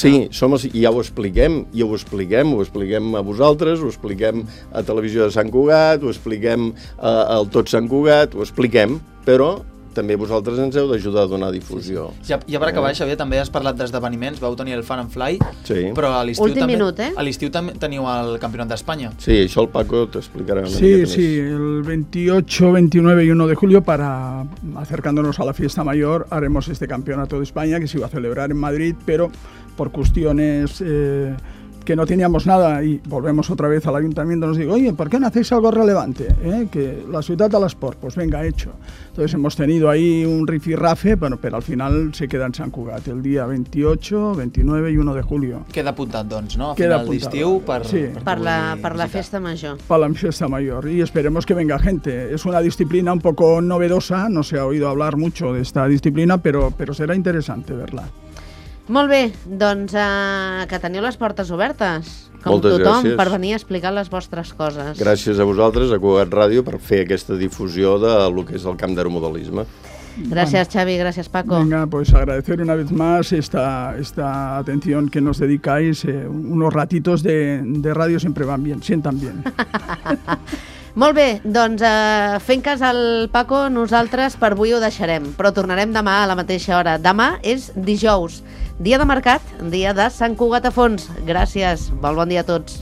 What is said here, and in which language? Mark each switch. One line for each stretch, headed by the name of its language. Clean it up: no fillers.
Catalan: Sí, som els, i ja ho expliquem, ja ho expliquem a vosaltres, ho expliquem a Televisió de Sant Cugat, ho expliquem al Tot Sant Cugat, ho expliquem, però també vosaltres ens heu d'ajudar a donar difusió. Sí, sí. Ja per acabar, Xavier, també has parlat d'esdeveniments, vau tenir el Fun and Fly, sí, però a l'estiu últim també, minut, A l'estiu també teniu el Campionat d'Espanya. Sí, això el Paco t'explicarà.
Spanish: Sí, sí, el 28, 29 i 1 de julio, para acercándonos a la fiesta mayor, haremos este Campionato de España, que se va a celebrar en Madrid, pero por cuestiones que no teníamos nada y volvemos otra vez al ayuntamiento, nos digo, oye, ¿por qué no hacéis algo relevante? Que la ciudad del esport, pues venga, hecho. Entonces hemos tenido ahí un rifirrafe, bueno, pero al final se queda en Sant Cugat el día 28, 29 y 1 de julio.
Catalan: Queda apuntat, doncs, no? A queda final d'estiu per, sí. per la festa major. Per la festa major.
Spanish: Y esperemos que venga gente. Es una disciplina un poco novedosa, no se ha oído hablar mucho de esta disciplina, pero será interesante verla.
Catalan: Molt bé, doncs que teniu les portes obertes, com moltes tothom, gràcies. Per venir a explicar les vostres coses. Gràcies a vosaltres, a Cugat Ràdio, per fer aquesta difusió de lo que és el camp d'aeromodelisme.
Spanish: Gracias, Xavi, gracias, Paco. Venga, pues agradecer una vez más esta atención que nos dedicáis. Unos ratitos de ràdio sempre van bien, sientan bien.
Catalan: Molt bé, doncs fent cas al Paco, nosaltres per avui ho deixarem, però tornarem demà a la mateixa hora. Demà és dijous, dia de mercat, dia de Sant Cugat a fons. Gràcies, bon dia a tots.